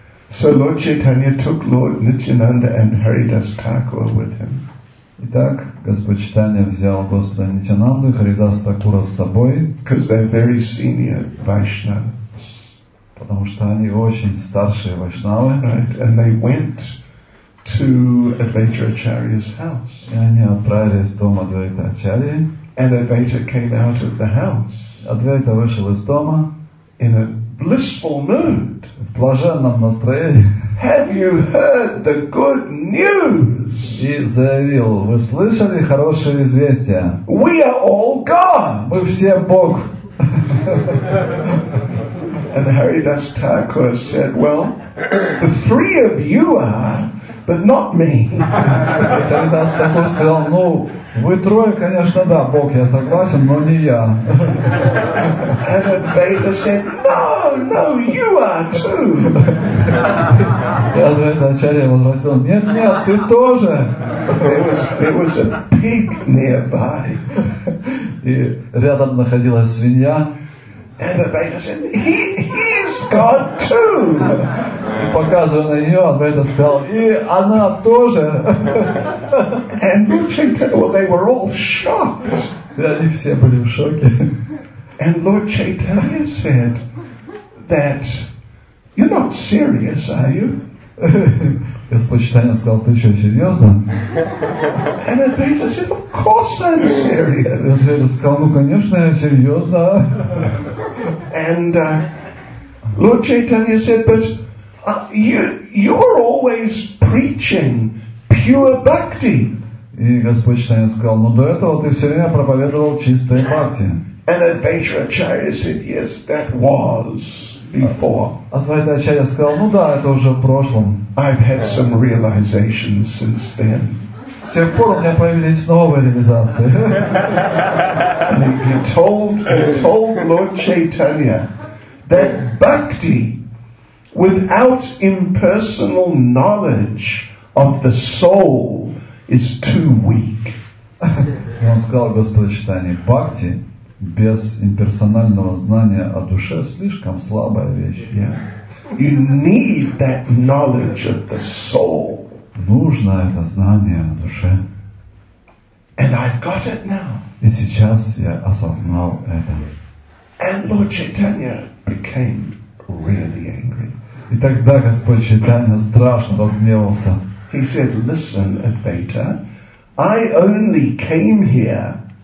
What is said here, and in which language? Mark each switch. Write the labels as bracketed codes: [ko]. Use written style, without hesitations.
[en] So Lord Chaitanya took Lord Nityananda and Haridas Thakur with him. [ru] Итак, Господь Чайтанья взял Господа Нитянанду и Харидас Такура с собой. [en] Because they're very senior Vaishnava. [ru] Потому что они очень старшие вайшнавы. [en] Right. And they went to Advaita Acharya's house. [ru] И они отправились в дом Адвайта Ачарьи. [en] And Advaita came out of the house. [ru] Адвайта вышел из дома. [en] In a blissful mood. [ru] В блаженном настроении. [en] Have you heard the good news? [ru] И заявил, вы слышали хорошее известие? [en] We are all God. [ru] Мы все Бог. [en] And Haridas Thakur said, well, the three of you are, but not me. [ru] Haridas Thakur сказал, ну, вы трое, конечно, да, Бог, я согласен, но не я. [en] And Advaita said, no, you are too. [ru] И Адвайта Ачарья возразил, нет, ты тоже. [en] There was a pig nearby. [ru] И рядом находилась свинья. [en] And Advaita said, he's God too. [ru] И показывая на нее, Адвайта сказал, и она тоже. [en] And Lord Chaitanya, well, they were all shocked. [ru] И они все были в шоке. [en] And Lord Chaitanya said that you're not serious, are you? [ru] Господь Чайтанья сказал, ты что, серьезно? [en] And Advaita said, of course I'm serious. [ru] Я сказал, ну конечно, я серьезно. [en] And Lord Chaitanya said, but you're always preaching pure bhakti. [ru] И Господь Чайтанья сказал, ну до этого ты все время проповедовал чистое бхакти. [en] And Advaita Acharya said, yes, that was before. [ru] Адвайта Ачарья сказал, ну да, это уже в прошлом. [en] I've had some realizations since then. [ru] С тех пор у меня появились новые реализации. [en] And he told Lord Chaitanya that bhakti without impersonal knowledge of the soul is too weak. [ru] Он сказал Господу Чайтанье, бхакти без имперсонального знания о душе слишком слабая вещь. [en] Yeah. You need that knowledge of the soul. [ru] Нужно это знание о душе. [en] And I've got it now. [ru] И сейчас я осознал это. [en] And Lord Chaitanya became really angry. [ru] И тогда Господь Чайтанья страшно разгневался. [en] He said, listen, Advaita, I only came here